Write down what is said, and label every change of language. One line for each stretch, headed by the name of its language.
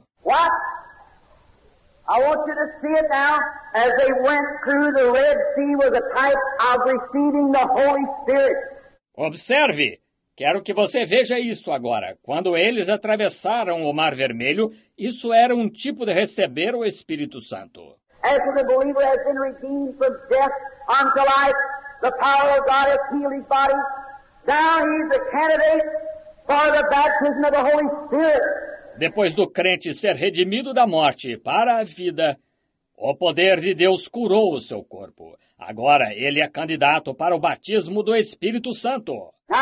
English: What? I want you to see it now, as they went through the Red Sea was a type of receiving the Holy Spirit.
Portuguese: Observe, quero que você veja isso agora. Quando eles atravessaram o Mar Vermelho, isso era um tipo de receber o Espírito Santo.
English: As the believer has been redeemed from death unto life, the power of God has healed his body. Now he's a candidate for the baptism of the Holy Spirit.
Portuguese: Depois do crente ser redimido da morte para a vida, o poder de Deus curou o seu corpo. Agora ele é candidato para o batismo do Espírito Santo.